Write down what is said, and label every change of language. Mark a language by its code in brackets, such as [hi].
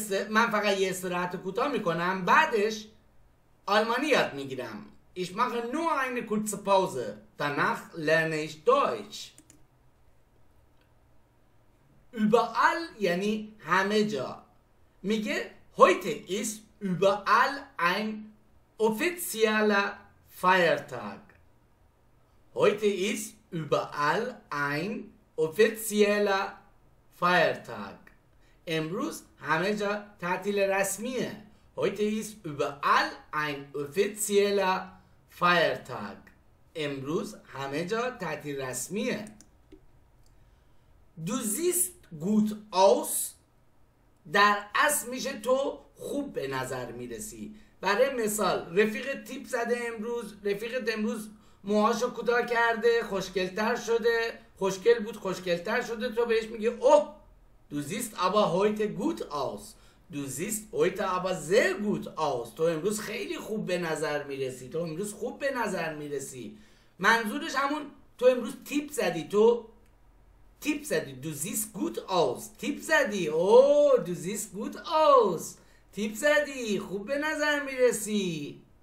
[fa] من فقط یه استراحت کوتاه میکنم، بعدش آلمانی یاد میگیرم. [de] Ich mache nur eine kurze Pause. Danach lerne ich Deutsch. [fa] Überall, یعنی همه جا. میگه [de] heute ist überall ein offizieller Feiertag. Heute ist überall ein offizieller Feiertag. [fa] امروز همه جا تعطیل رسمیه. [de] Heute ist überall ein offizieller Feiertag. [fa] امروز همه جا تعطیل رسمیه. [de] Du siehst gut aus. [fa] در اصل میشه تو خوب به نظر میرسی. برای مثال رفیقت تیپ زده امروز، رفیقت امروز موهاشو کوتاه کرده، خوشگلتر شده، خوشگل بود خوشگلتر شده، تو بهش میگی اوه [de] Du siehst aber heute gut aus. Du siehst heute aber sehr gut aus. [fa] تو امروز خیلی خوب به نظر میرسی. تو امروز خوب به نظر میرسی. منظورش همون تو امروز تیپ زدی. تو تیپ زدی. [de] Du siehst gut aus. [fa] تیپ زدی. [de] Du siehst gut aus. [fa] تیپ زدی. خوب به نظر میرسی.